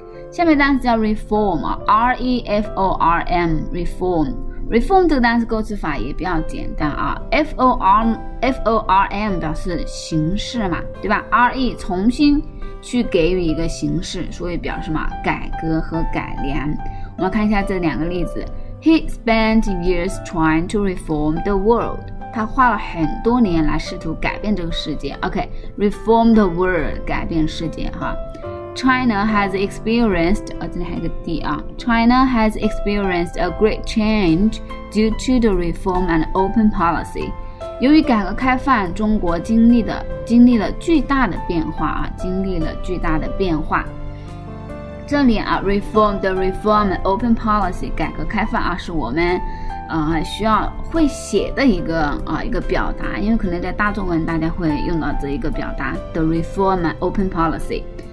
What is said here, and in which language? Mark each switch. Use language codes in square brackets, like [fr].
[zh] 下面单词叫 reform 啊 ，R-E-F-O-R-M, reform。 reform 这个单词构词法也比较简单啊 ，F-O-R-M 表示形式嘛，对吧 ？R-E 重新去给予一个形式，所以表示什么？改革和改良。我们看一下这两个例子。 [en] He spent years trying to reform the world. [zh] 他花了很多年来试图改变这个世界。 OK, [en] reform the world, [zh] 改变世界哈。 [en] China has experienced, [zh] 这里还有个 D 啊。 [en] China has experienced a great change due to the reform and open policy. [zh] 由于改革开放，中国经历了巨大的变化啊，经历了巨大的变化。这里啊 reform the reform open policy 改革开放啊，是我们需要会写的一个一个表达，因为可能在大众文大家会用到这一个表达 the reform open policy。